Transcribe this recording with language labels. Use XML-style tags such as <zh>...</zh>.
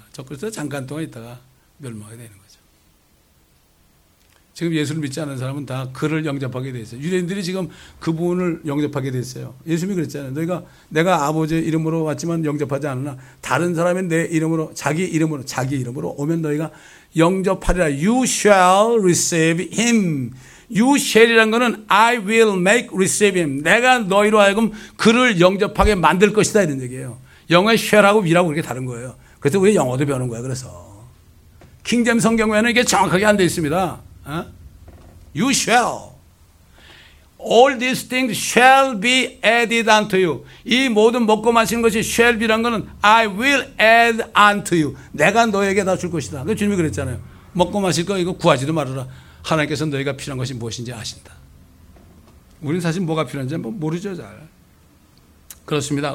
<ko>적그리스도 잠깐 동안 있다가 멸망하게 되는 거죠. 지금 예수를 믿지 않은 사람은 다 그를 영접하게 돼 있어요. 유대인들이 지금 그분을 영접하게 돼 있어요. 예수님이 그랬잖아요. 너희가 내가 아버지의 이름으로 왔지만 영접하지 않으나 다른 사람의 내 이름으로 자기 이름으로 오면 너희가 영접하리라.</ko> <en>You shall receive him. You shall</en> <ko>이라는 것은</ko> <en>I will make receive him.</en> <ko>내가 너희로 하여금 그를 영접하게 만들 것이다 이런 얘기예요. 영어의 shall하고 will하고 그렇게 다른 거예요. 그래서 왜 영어도 배우는 거야 그래서. 킹잼 성경에는 이게 정확하게 안 되어 있습니다. 어?</ko> <en>You shall. All these things shall be added unto you.</en> <ko>이 모든 먹고 마시는 것이</ko> <en>shall be</en> <ko>란 것은</ko> <en>I will add unto you.</en> <ko>내가 너에게 다 줄 것이다. 그 주님이 그랬잖아요. 먹고 마실 거 이거 구하지도 말아라. 하나님께서 너희가 필요한 것이 무엇인지 아신다. 우리는 사실 뭐가 필요한지 뭐 모르죠 잘. 그렇습니다.</ko>